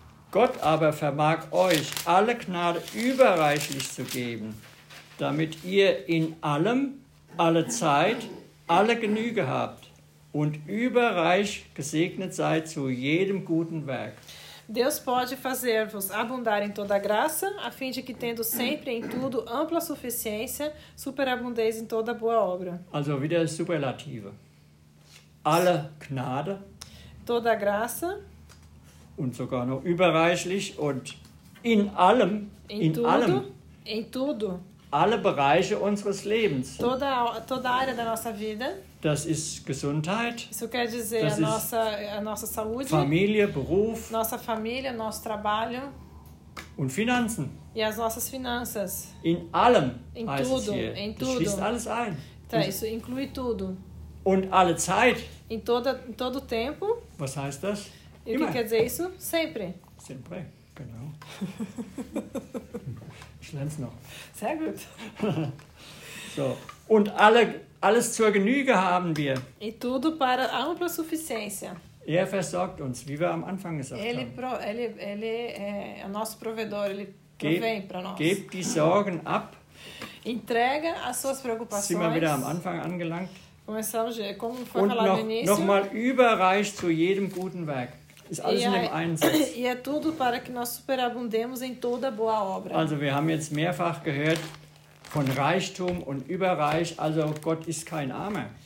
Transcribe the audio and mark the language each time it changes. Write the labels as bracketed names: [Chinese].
[German] Gott aber vermag euch alle Gnade überreichlich zu geben, damit ihr in allem, alle Zeit, alle Genüge habt und überreich gesegnet seid zu jedem guten Werk. [Portuguese] Deus pode fazer-vos abundar em toda graça, a fim de que, tendo sempre em tudo ampla suficiência, superabundeis em toda boa obra. [German] Also wieder superlative. Alle Gnade. [Portuguese] Toda graça. [German] Und sogar noch überreichlich und in allem, [Portuguese] in tudo, [German] allem, [Portuguese] in tudo. [German] Alle Bereiche unseres Lebens. [Portuguese] Toda área da nossa vida. [German] Das ist Gesundheit. [Portuguese] Isso quer dizer [German] das [Portuguese] a nossa, a nossa saúde. [German] Familie, Beruf. [Portuguese] Nossa família, nosso trabalho. [German] Und Finanzen. [Portuguese] E as nossas finanças. [German] In allem, [Portuguese] in tudo, [German] hier. [Portuguese] In tudo. [German] Schließt alles ein. [Portuguese] Então, isso inclui tudo. [German] Und alle Zeit. [Portuguese] In toda, in todo tempo. [German] Was heißt das? [Portuguese] E o que quer dizer isso? Sempre. Sempre, genau. [German] Ich lerne es noch. Sehr gut. So. Und alle, alles zur Genüge haben wir. [Portuguese] E tudo para ampla suficiência. [German] Er versorgt uns, wie wir am Anfang gesagt [Portuguese] ele [German] haben. [Portuguese] Ele é o nosso provedor, ele provém para nós. [German] Gebt die Sorgen ab. [Portuguese] entrega as suas preocupações. [German] Sind wir wieder am Anfang angelangt. [Portuguese] Começamos como foi falado no início. [German] Nochmal überreich zu jedem guten Werk. Ist alles in dem Einsatz. [Portuguese] E é tudo para que nós superabundemos em toda boa obra. [German] Also wir haben jetzt mehrfach gehört von Reichtum und überreich. Also Gott ist kein Armer.